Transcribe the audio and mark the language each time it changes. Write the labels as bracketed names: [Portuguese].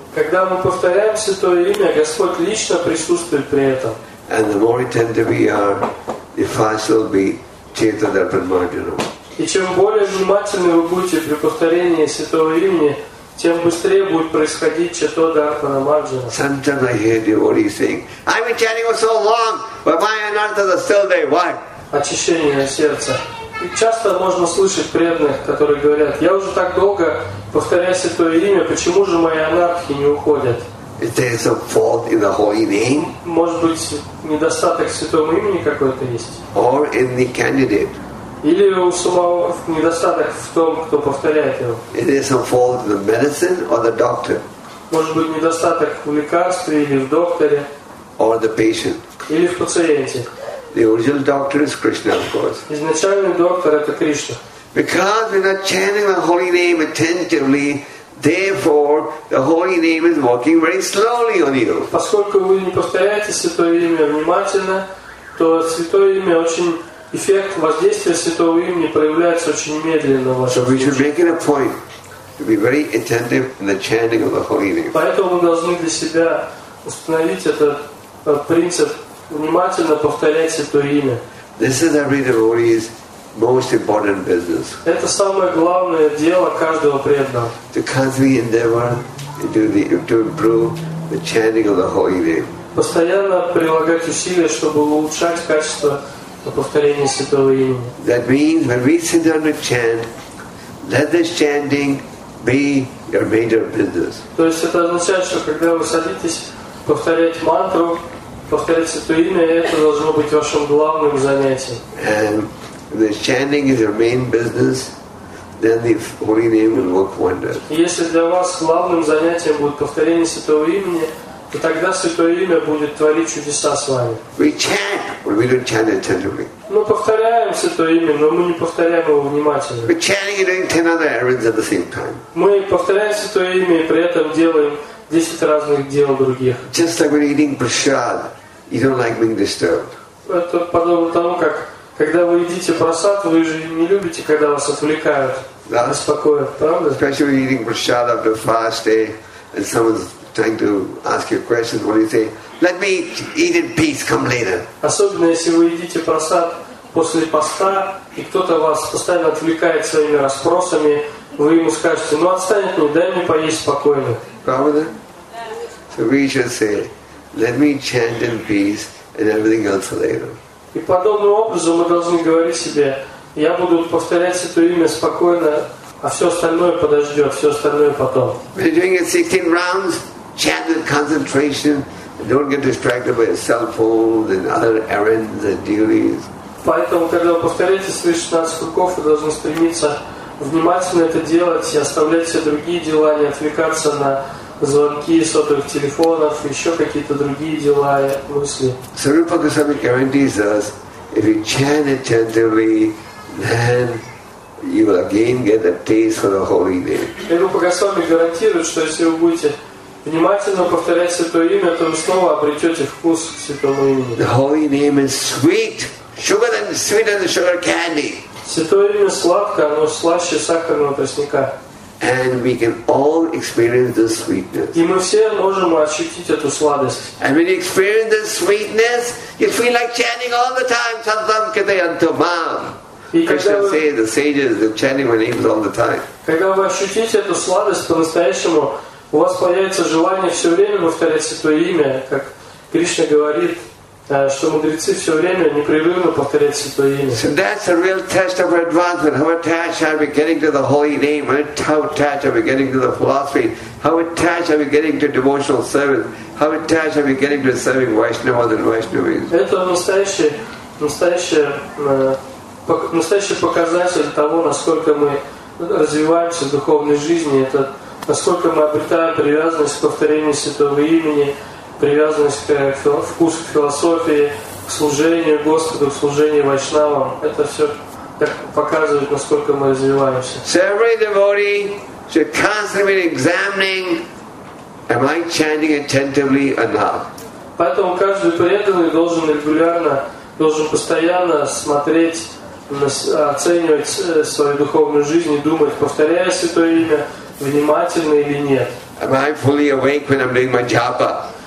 [Russian] Когда мы повторяем святое имя, Господь лично присутствует при этом. [English] And the more attentive we are, the faster will be Chaitanya Padmarjanam. [Russian] И чем более внимательны вы будете при повторении святого имени, тем быстрее будет происходить Чаитанья Падмарджана. [English] Sometimes I hear devotees saying, "I've been chanting for so long, but my anarthas are still there. Why?" [Russian] Очищение сердца. И часто можно слышать преданных, которые говорят: "Я уже так долго повторяю святое имя, почему же мои анархи не уходят?" [English] Is there some fault in the holy name? [Russian] Может быть, недостаток в святом имени какой-то есть? [English] Or in the candidate? [Russian] Или у самого недостаток в том, кто повторяет его? [English] Is there some fault in the medicine or the doctor? [Russian] Может быть, недостаток в лекарстве или в докторе? [English] Or the patient? [Russian] Или в пациенте? [English] The original doctor is Krishna, of course. [Russian] Изначальный доктор это Кришна. [English] Because we're not chanting the holy name attentively, therefore the holy name is working very slowly on you. [Russian] Поскольку вы не повторяете святое имя внимательно, то святое имя очень эффект воздействия святого имени проявляется очень медленно. [English] So we should make it a point to be very attentive in the chanting of the holy name. [Russian] Поэтому мы должны для себя установить этот принцип. Внимательно повторять святое имя. [English] This is every devotee's most important business. [Russian] Это самое главное дело каждого преданного. [English] To constantly endeavor to improve the chanting of the holy name. [Russian] Постоянно прилагать усилия, чтобы улучшать качество повторения святого имени. [English] That means when we sit down to chant, let this chanting be your major business. [Russian] То есть это означает, что когда вы садитесь повторять мантру. Повторять святое имя, это должно быть вашим главным занятием. [English] And the chanting is your main business, then the holy name will work wonders. [Russian] Если для вас главным занятием будет повторение святого имени, то тогда святое имя будет творить чудеса с вами. [English] We chant, but we don't chant attentively. [Russian] Мы повторяем святое имя, но мы не повторяем его внимательно. [English] We're chanting and doing 10 other errands at the same time. [Russian] Мы повторяем святое имя и при этом делаем 10 разных дел других. [English] Just like when eating prasad, you don't like being disturbed. [Russian] Это подобно тому, как когда вы едите прасад, вы же не любите, когда вас отвлекают, беспокоят, правда? [English] Especially when eating prasad after fast day, and someone's trying to ask you questions, what do you say? Let me eat in peace. Come later. [Russian] Особенно если вы едите прасад после поста и кто-то вас постоянно отвлекает своими расспросами, вы ему скажете: "Ну отстань, ну дай мне поесть спокойно." [English] So we should say, "Let me chant in peace, and everything else later." [Russian] И подобным образом мы должны говорить себе: "Я буду повторять это имя спокойно, а все остальное подождет, все остальное потом." [English] We're doing it 16 rounds. Chant with concentration. Don't get distracted by your cell phones and other errands and duties. [Russian] Поэтому, когда вы повторяете свои 16 кругов, вы должны стремиться внимательно это делать и оставлять все другие дела, не отвлекаться на звонки сотовых телефонов, еще какие-то другие дела и мысли. [English] Sarupa Goswami guarantees us, if you chant attentively, then you will again get a taste for the holy name. [Russian] Sarupa Goswami гарантирует, что если вы будете внимательно повторять святое имя, то вы снова обретете вкус к святому имени. [English] The holy name is sweet, sugar than sweet than the sugar candy. [Russian] Святое имя сладко, оно слаще сахарного тростника. [English] And we can all experience this sweetness. [Russian] И мы все можем ощутить эту сладость. [English] And when you experience this sweetness, you feel like chanting all the time. [Sanskrit] Tatam kadayantumam. [English] Krishna says, the sages, the chanting my names all the time. [Russian] Когда вы ощутите эту сладость по-настоящему, у вас появится желание все время повторять святое имя, как Кришна говорит, что мудрецы все время непрерывно повторяют святое имя. [English] So that's a real test of our advancement. How attached are we getting to the holy name? How attached are we getting to the philosophy? How attached are we getting to devotional service? How attached are we getting to serving Vaishnavas and Vaishnavis? [Russian] Это настоящий показатель того, насколько мы развиваемся в духовной жизни. Это насколько мы обретаем привязанность к повторению святого имени. привязанность к вкусу философии, к служению Господу, к служению вайшнавам. Это все показывает, насколько мы развиваемся. [English] So every devotee should constantly be examining, am I chanting attentively or not? [Russian] Поэтому каждый преданный должен регулярно, должен постоянно смотреть, оценивать свою духовную жизнь и думать, повторяя святое имя, внимательно или нет. [English] Am I fully awake when I'm doing my japa?